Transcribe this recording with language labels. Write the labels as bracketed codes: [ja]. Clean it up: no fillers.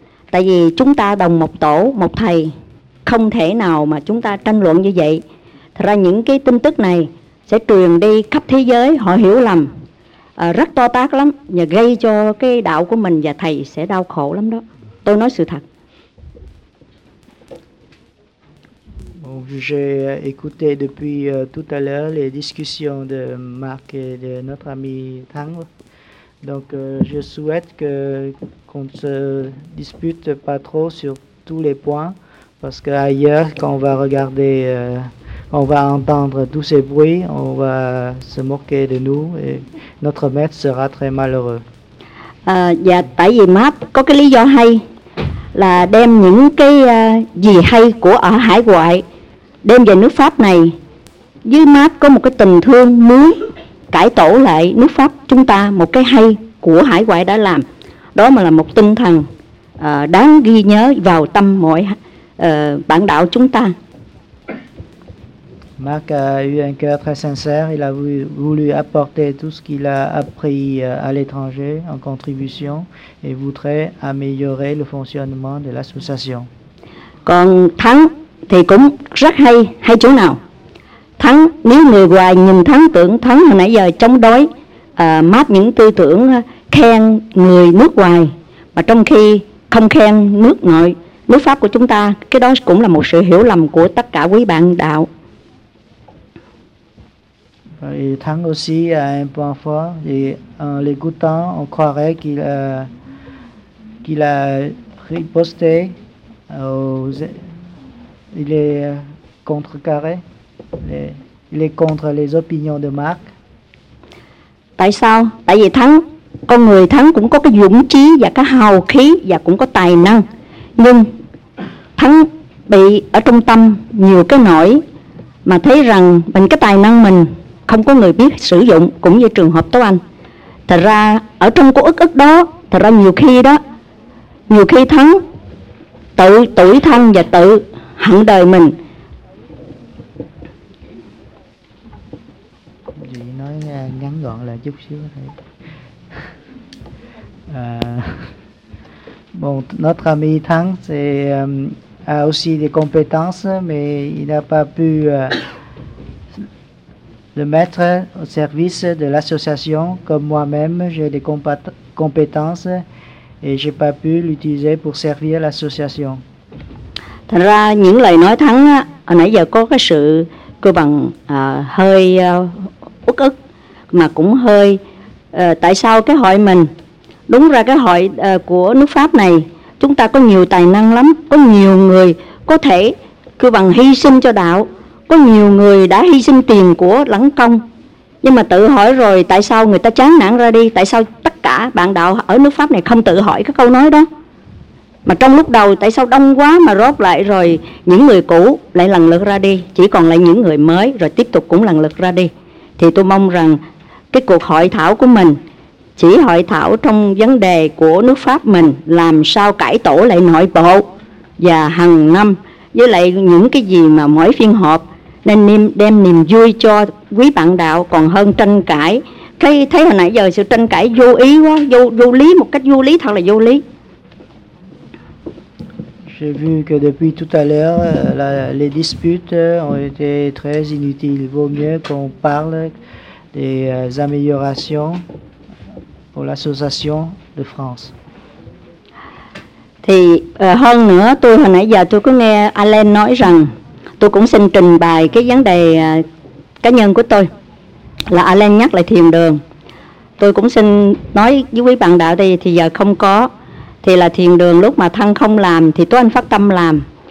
[vi] Tại vì chúng ta đồng một tổ, một thầy, không thể nào mà chúng ta tranh luận như vậy. Thật ra những cái tin tức này sẽ truyền đi khắp thế giới, họ hiểu lầm, rất to tát lắm, và gây cho cái đạo của mình và thầy sẽ đau khổ lắm đó. Tôi nói sự thật. [fr] J'ai écouté depuis tout à l'heure les discussions de Marc et de notre ami Thang. Donc je souhaite qu'on ne se dispute pas trop sur tous les points, parce qu'ailleurs, quand on va regarder, on va entendre tous ces bruits, on va se moquer de nous et notre maître sera très malheureux. [vi] Dạ, tại vì Mark có cái lý do hay là đem những cái gì hay của ở hải ngoại đem về nước Pháp này. Với Mark có một cái tình thương muốn cải tổ lại nước Pháp chúng ta, một cái hay của hải ngoại đã làm. Đó mà là một tinh thần đáng ghi nhớ vào tâm mọi bạn đạo chúng ta. [fr] Mark a eu un cœur très sincère, il a voulu apporter tout ce qu'il a appris à l'étranger en contribution et voudrait améliorer le fonctionnement de l'association. [vi] Còn Thắng thì cũng rất hay, hay chỗ nào? Thắng, nếu người ngoài nhìn Thắng tưởng Thắng hồi nãy giờ chống đối Mark những tư tưởng khen người nước ngoài mà trong khi không khen nước nội, nước Pháp của chúng ta, cái đó cũng là một sự hiểu lầm của tất cả quý bạn đạo. [fr] Et Thang aussi a un point fort, et en l'écoutant, on croirait qu'il a riposté, il est contrecarré, il est contre les opinions de Marc. [vi] Tại sao? Tại vì Thang, con người Thang cũng có cái dũng trí và cái hào khí và cũng có tài năng, nhưng Thang bị ở trong tâm nhiều cái nỗi mà thấy rằng mình cái tài năng mình không có người biết sử dụng, cũng như trường hợp Tố Anh. Thật ra ở trong cái ức ức đó, thật ra nhiều khi đó, nhiều khi Thắng tự tủi thân và tự hận đời mình. Chị nói ngắn gọn lại chút xíu thôi. [fr] Bon, notre ami Thắng a aussi des compétences, mais il n'a pas pu le mettre au service de l'association, comme moi-même, j'ai des compétences et j'ai pas pu l'utiliser pour servir l'association. [vi] Thật ra những lời nói Thắng hồi nãy giờ có cái sự cơ bằng hơi uất ức mà cũng hơi tại sao cái hội mình, đúng ra cái hội của nước Pháp này chúng ta có nhiều tài năng lắm, có nhiều người có thể cơ bằng hy sinh cho đạo. Có nhiều người đã hy sinh tiền của lẫn công, nhưng mà tự hỏi rồi tại sao người ta chán nản ra đi, tại sao tất cả bạn đạo ở nước Pháp này không tự hỏi cái câu nói đó, mà trong lúc đầu tại sao đông quá mà rốt lại rồi những người cũ lại lần lượt ra đi, chỉ còn lại những người mới rồi tiếp tục cũng lần lượt ra đi. Thì tôi mong rằng cái cuộc hội thảo của mình chỉ hội thảo trong vấn đề của nước Pháp mình làm sao cải tổ lại nội bộ và hàng năm, với lại những cái gì mà mỗi phiên họp nên đem niềm vui cho quý bạn đạo còn hơn tranh cãi. Thấy hồi nãy giờ sự tranh cãi vô ý quá, vô lý, một cách vô lý, thật là vô lý. [fr] J'ai vu que depuis tout à l'heure les disputes ont été très inutiles. Vaut mieux qu'on parle des améliorations pour l'association de France. [vi] Thì hơn nữa, tôi hồi nãy giờ tôi có nghe Alan nói rằng, tôi cũng xin trình bày cái vấn đề cá nhân của tôi, là Alan nhắc lại thiền đường. Tôi cũng xin nói với quý bạn đạo đây, thì giờ không có, thì là thiền đường lúc mà Thăng không làm thì Tố Anh phát tâm làm.